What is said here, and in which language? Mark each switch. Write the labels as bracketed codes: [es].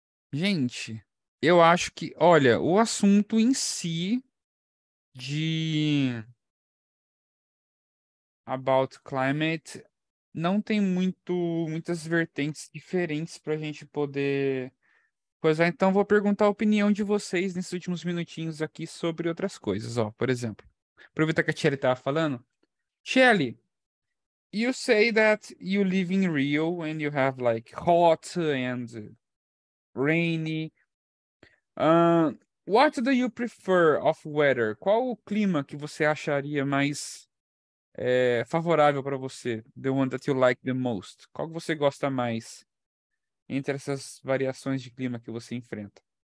[pt] Gente, eu acho que, olha, o assunto em si de about climate não tem muitas vertentes diferentes para a gente poder. Pois é, então vou perguntar a opinião de vocês nesses últimos minutinhos aqui sobre outras coisas, ó. Por exemplo, aproveitar que a Chelly estava falando. [en] Chelly, you say that you live in Rio and you have like hot and rainy. What do you prefer of weather? [pt] Qual o clima que você acharia mais favorável para você? [en] The one that you like the most. [pt] Qual que você gosta mais entre essas variações de clima que você enfrenta?